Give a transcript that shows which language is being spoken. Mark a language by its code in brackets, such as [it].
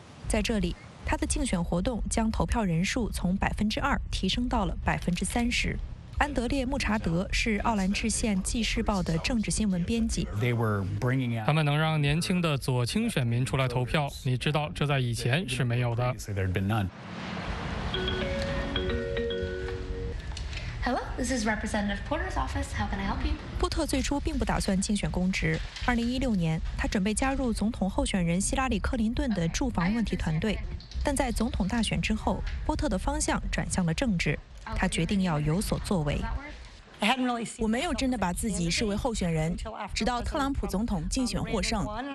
[zh] 在这里，他的竞选活动将投票人数从2%提升到了30%。安德烈·穆查德是奥兰治县《纪事报》的政治新闻编辑。他们能让年轻的左倾选民出来投票，你知道，这在以前是没有的。 [en] Hello, this is Representative Porter's office. How can I help you? [zh] 波特最初并不打算竞选公职。2016年，他准备加入总统候选人希拉里·克林顿的住房问题团队，但在总统大选之后，波特的方向转向了政治，他决定要有所作为。我没有真的把自己视为候选人，直到特朗普总统竞选获胜。